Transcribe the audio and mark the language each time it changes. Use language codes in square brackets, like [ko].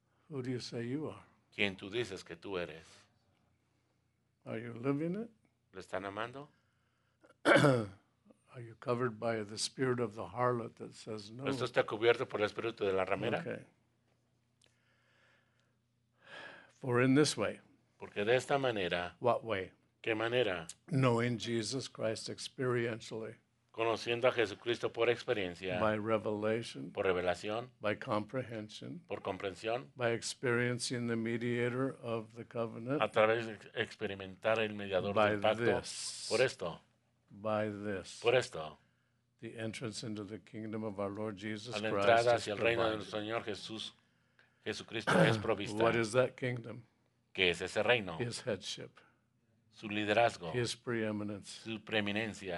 [en] Who do you say you are? [es] ¿Quién tú dices que tú eres? [en] Are you living it? [es] ¿Lo están amando? [en] Are you covered by the spirit of the harlot that says no? [es] ¿Esto está cubierto por el espíritu de la ramera? [en] Okay. For in this way. [es] Porque de esta manera. [en] What way? [es] ¿Qué manera? [en] Knowing Jesus Christ experientially. [es] Conociendo a Jesucristo por experiencia. [en] By revelation. [es] Por revelación. [en] By comprehension. [es] Por comprensión. [en] By experiencing the mediator of the covenant. [es] A través de experimentar el mediador del pacto. [en] This, [es] por esto. [en] By this. [es] Por esto. [en] The entrance into the kingdom of our Lord Jesus Christ. [es] A la entrada hacia el [en] provided. [es] Reino del Señor Jesús. Jesucristo es provista. [en] What is that kingdom? [es] ¿Qué es ese reino? [en] His headship. [es] Su liderazgo. [en] His preeminence. [es] Su preeminencia.